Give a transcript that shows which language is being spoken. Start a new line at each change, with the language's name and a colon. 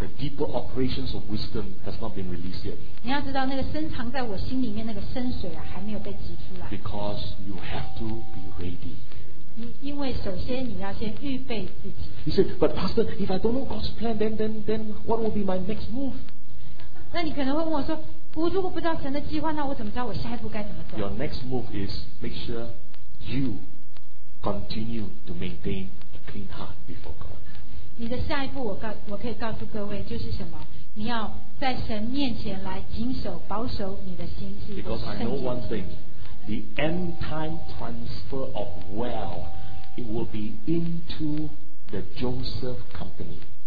English: The deeper operations of wisdom has not been released yet
Chinese: 你要知道那个深藏在我心里面那个深水还没有被挤出来
English: Because you have to be ready
Chinese: 因为首先你要先预备自己
English: You say, but pastor, if I don't know God's plan then what will be my next move?
Chinese: 那你可能会问我说 我如果不知道神的计划 那我怎么知道我下一步该怎么走?
English: Your next move is make sure you continue to maintain a clean heart before God.
Chinese: 你的下一步我可以告诉各位就是什么?你要在神面前来谨守保守你的心
English: Because I know one thing, the end time transfer of wealth, it will be into the Joseph company.